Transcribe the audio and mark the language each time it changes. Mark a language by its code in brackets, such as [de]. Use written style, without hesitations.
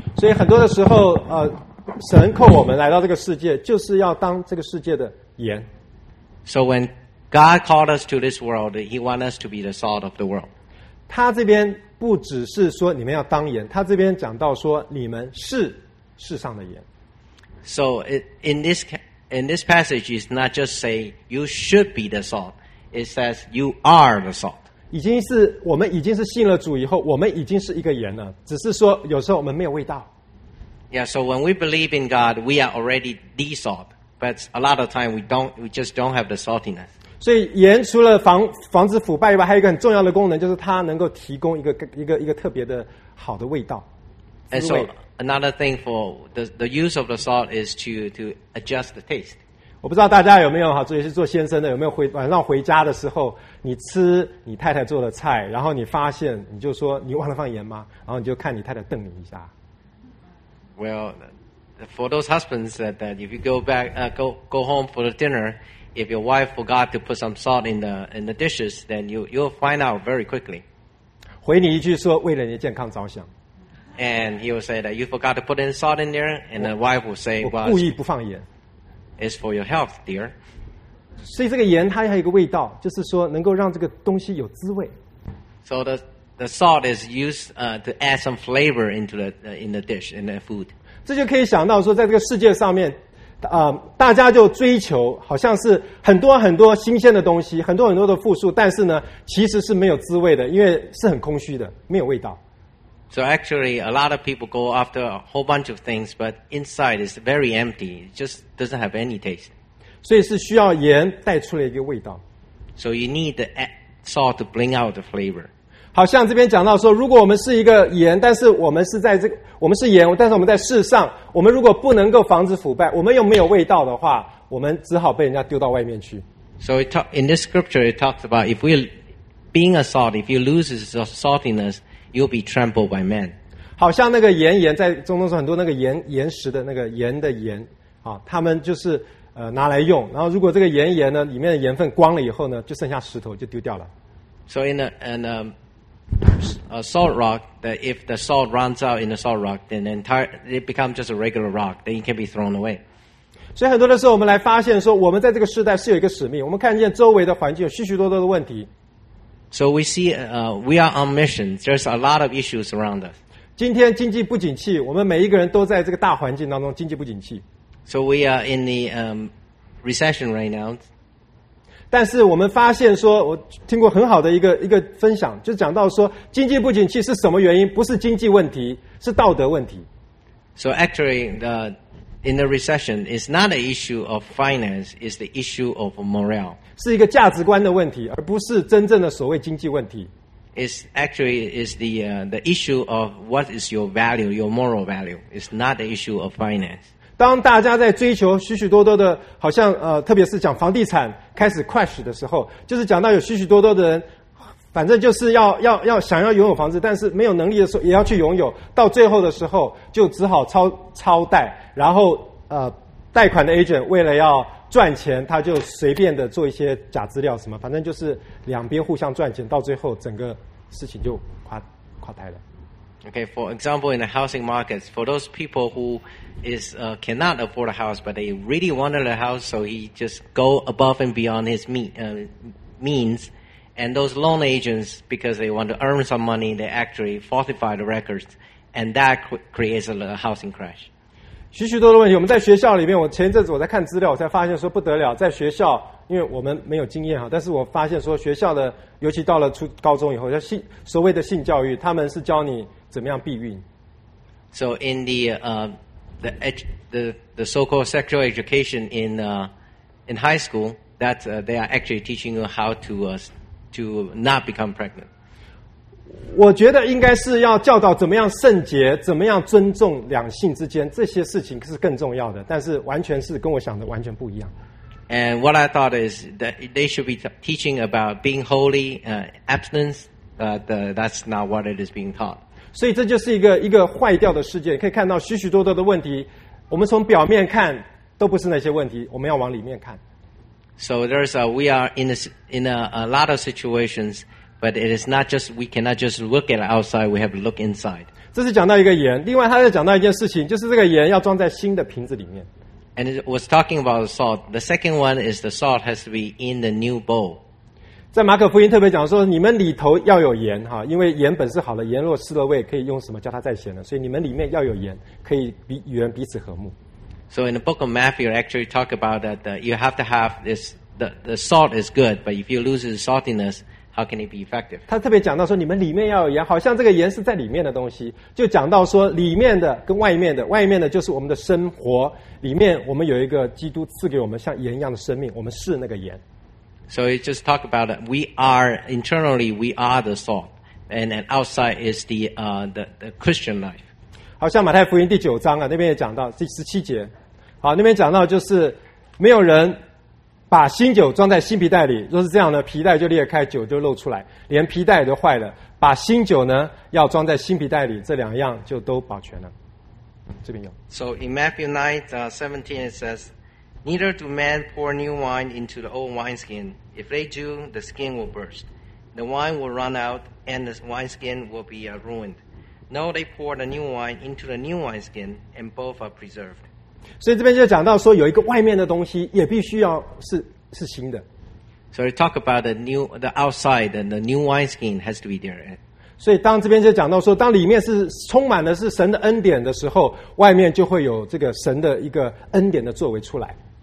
[zh] 所以很多的时候，神扣我们来到这个世界，就是要当这个世界的。盐 [en] So when God called us to this world, He wants us to be the salt of the world. [zh] 他这边不只是说你们要当盐，他这边讲到说你们是世上的盐。 [en] So in this passage, it's not just say you should be the salt; it says you are the salt. [zh] 已经是我们已经是信了主以后，我们已经是一个盐了，只是说有时候我们没有味道。 [en] Yeah, so when we believe in God, we are already the salt. But a lot of time we just don't have the saltiness. [zh] 所以盐除了防止腐败以外，还有一个很重要的功能，就是它能够提供一个特别的好的味道。 [en] And so another thing for the use of the salt is to adjust the taste. [zh] 我不知道大家有没有哈，尤其是做先生的，有没有晚上回家的时候，你吃你太太做的菜，然后你发现你就说你忘了放盐吗？然后你就看你太太瞪你一下。 [en] Well. For those husbands that if you go back, go home for the dinner, if your wife forgot to put some salt in the dishes, then you'll find out very quickly. [zh] 回你一句说为了你的健康着想。 [en] And he will say that you forgot to put in salt in there, and the wife will say, well, [zh] 故意不放盐。 [en] It's for your health, dear. [zh] 所以这个盐它还有一个味道，就是说能够让这个东西有滋味。 [en] So the salt is used to add some flavor into the dish, in the food. [zh] 这就可以想到说在这个世界上面、大家就追求好像是很多很多新鲜的东西，很多很多的富庶，但是呢其实是没有滋味的，因为是很空虚的，没有味道。 [en] So actually a lot of people go after a whole bunch of things, but inside is very empty, it just doesn't have any taste. [zh] 所以是需要盐带出了一个味道。 [en] So you need the salt to bring out the flavor. [zh] 好像这边讲到说，如果我们是一个盐，但是我们是在这个，我们是盐，但是我们在世上，我们如果不能够防止腐败，我们又没有味道的话，我们只好被人家丢到外面去。 [en] So in this scripture, it talks about if we being a salt, if you lose its saltiness, you'll be trampled by men. [zh] 好像那个盐在中东说很多那个盐石的那个盐的盐啊，他们就是拿来用，然后如果这个盐呢，里面的盐分光了以后呢，就剩下石头就丢掉了。 [en] So in a salt rock, that if the salt runs out in the salt rock, then the entire, it becomes just a regular rock, then it can be thrown away. [zh] 所以很多的时候我们来发现说我们在这个时代是有一个使命，我们看见周围的环境有许许多多的问题。 [en] So we see, we are on mission. There's a lot of issues around us. [zh] 今天经济不景气，我们每一个人都在这个大环境当中经济不景气。 [en] So we are in the recession right now. [zh] 但是我们发现说，我听过很好的一个分享，就讲到说经济不景气是什么原因？不是经济问题，是道德问题。 [en] So actually, in the recession, it's not an issue of finance, it's the issue of morale. [zh] 是一个价值观的问题，而不是真正的所谓经济问题。 [en] It's actually is the issue of what is your value, your moral value. It's not the issue of finance. [zh] 当大家在追求许许多多的，好像特别是讲房地产开始 crash 的时候，就是讲到有许许多多的人，反正就是要想要拥有房子，但是没有能力的时候也要去拥有，到最后的时候就只好超贷，然后贷款的 agent 为了要赚钱，他就随便的做一些假资料什么，反正就是两边互相赚钱，到最后整个事情就垮台了。 [en] Okay, for example, in the housing markets, for those people who cannot afford a house, but they really wanted a house, so he just go above and beyond his means, and those loan agents, because they want to earn some money, they actually falsify the records, and that creates a housing crash. [zh] 许许多的问题，我们在学校里面，我前一阵子我在看资料，我才发现说不得了，在学校，因为我们没有经验哈，但是我发现说学校的，尤其到了初高中以后，所谓的性教育，他们是教你怎么样避孕。 [en] So in the so-called sexual education in high school, that they are actually teaching you how to not become pregnant. [zh] 我觉得应该是要教导怎么样圣洁，怎么样尊重两性之间，这些事情是更重要的，但是完全是跟我想的完全不一样。 [en] And what I thought is that they should be teaching about being holy, abstinence, that's not what it is being taught. [zh] 所以这就是一个坏掉的世界，可以看到许许多多的问题，我们从表面看都不是那些问题，我们要往里面看。 [en] So there's we are in a lot of situationsBut it is not just, we cannot just look at outside, we have to look inside. [zh] 这是讲到一个盐，另外他在讲到一件事情，就是这个盐要装在新的瓶子里面。 [en] And it was talking about the salt. The second one is the salt has to be in the new bowl. [zh] 在马可福音特别讲说，你们里头要有盐，因为盐本是好的，盐若失了味，可以用什么叫它再咸呢？所以你们里面要有盐，可以与人彼此和睦。 [en] So in the book of Matthew, it actually talk about that you have to have this, the salt is good, but if you lose the saltiness,How can it be effective? [zh] 他特别讲到说，你们里面要有盐，好像这个盐是在里面的东西。就讲到说，里面的跟外面的，外面的就是我们的生活，里面我们有一个基督赐给我们像盐一样的生命，我们是那个盐。 [en] So it just talk about that. We are internally, we are the salt, and outside is the Christian life. [zh] 好像马太福音第九章啊，那边也讲到第十七节，好，那边讲到就是没有人。把新酒装在新皮袋里，若是这样呢，皮袋就裂开，酒就漏出来，连皮袋都坏了。把新酒呢，要装在新皮袋里，这两样就都保全了。这边有。 [en] So in Matthew 9:17 it says, "Neither do men pour new wine into the old wineskin. If they do, the skin will burst. The wine will run out, and the wineskin will be ruined. No, they pour the new wine into the new wineskin, and both are preserved." [zh] 所以这边就讲到说，有一个外面的东西也必须要是新的。 [en] So we talk about the outside and the new wine skin has to be there. [zh] 所以当这边就讲到说，当里面是充满的是神的恩典的时候，外面就会有这个神的一个恩典的作为出来。